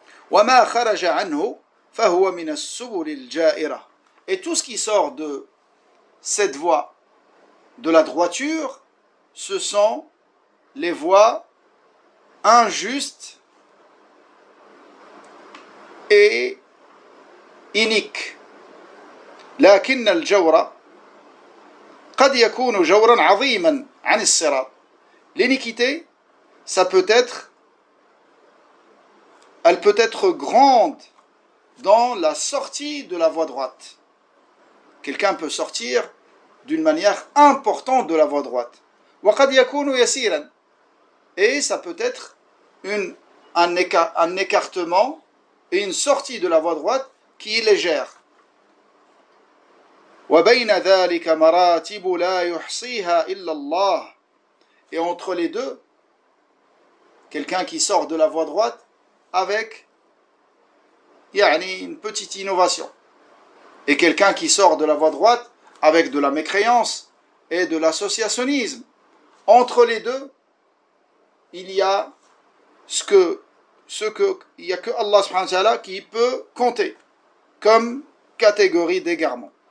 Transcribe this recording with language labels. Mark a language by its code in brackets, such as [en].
[ar] وَمَا خَرَجَ عَنْهُ فَهُوَ مِنَ السُّبُلِ الْجَائِرَةِ. [fr] Et tout ce qui sort de cette voie, de la droiture, ce sont les voies injustes et iniques. [ar] لكن الجور قد يكون جورا عظيما عن الصراط. [fr] L'iniquité, ça peut être, elle peut être grande dans la sortie de la voie droite. Quelqu'un peut sortir d'une manière importante de la voie droite. [ar] وقد يكون يسيرا. [fr] Et ça peut être un écartement et une sortie de la voie droite qui est légère. [ar] وبين ذلك مراتب لا يحصيها الا الله. [fr] Et entre les deux, quelqu'un qui sort de la voie droite avec une petite innovation et quelqu'un qui sort de la voie droite avec de la mécréance et de l'associationnisme, entre les deux il y a ce que il y a que Allah subhanahu wa ta'ala qui peut compter comme catégorie d'égarement.